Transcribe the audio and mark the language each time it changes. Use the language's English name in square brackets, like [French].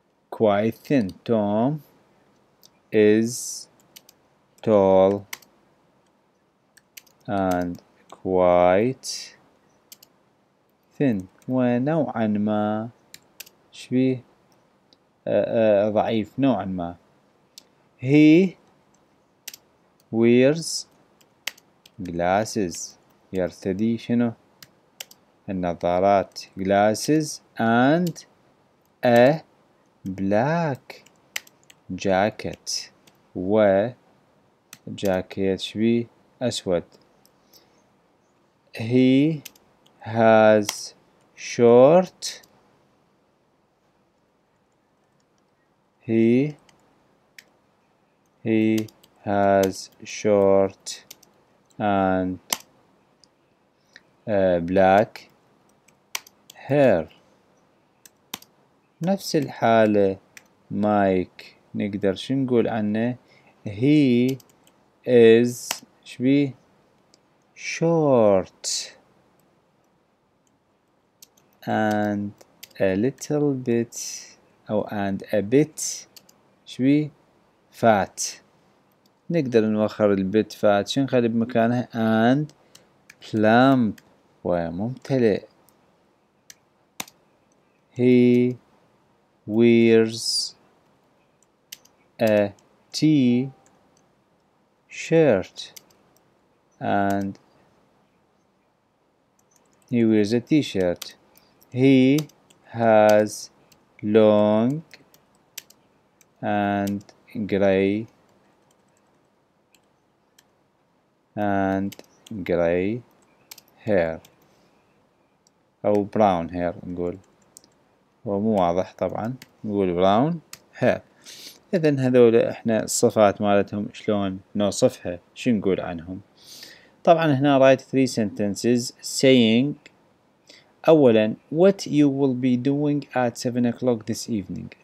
[English] Quite thin. Tom is tall and quite thin. [Arabic] ونوعا ما شبيه ضعيف نوعا ما. [English] He wears glasses. [Arabic] يرتدي شنو؟ النظارات. [English] Glasses and a black jacket. [Arabic] و جاكيت شبي أسود. [English] he has short he has short and black hair. [Arabic] نفس الحالة مايك نقدر شنقول عنه؟ [English] he is [Arabic] شبيه [English] short and a little bit [Arabic] أو [English] and a bit [Arabic] شوي [English] fat. [Arabic] نقدر نوخر البيت فات شو نخلي بمكانه [English] and plump [Arabic] وممتلئ. [English] He wears a t-shirt and he wears a t-shirt. He has long and gray and gray hair [Arabic] أو [English] brown hair [Arabic] نقول، ومو واضح طبعاً نقول [English] brown hair. [Arabic] إذن هذول إحنا الصفات مالتهم شلون نوصفها شو نقول عنهم. طبعاً هنا [English] write three sentences saying [Arabic] أولاً [English] what you will be doing at 7 o'clock this evening.